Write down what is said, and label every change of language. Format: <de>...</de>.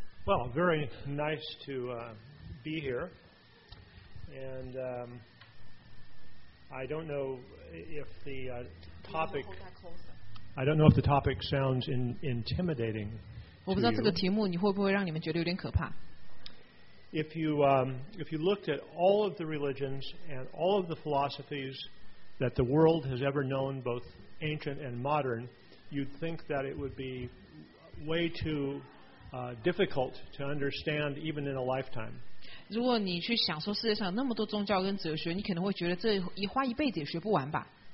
<en>Well, very nice to be here, and I don't know if the topic. I don't know if the topic sounds intimidating.</en> <zh>我不知道这个题目你会不会让你们觉得有点可怕。</zh> <en>If you looked at all of the religions and all of the philosophies that the world has ever known, both ancient and modern, you'd think that it would be way too difficult to understand even in a lifetime.</en> <zh>如果你去想说世界上有那么多宗教跟哲学，你可能会觉得这一花一辈子也学不完吧。</zh>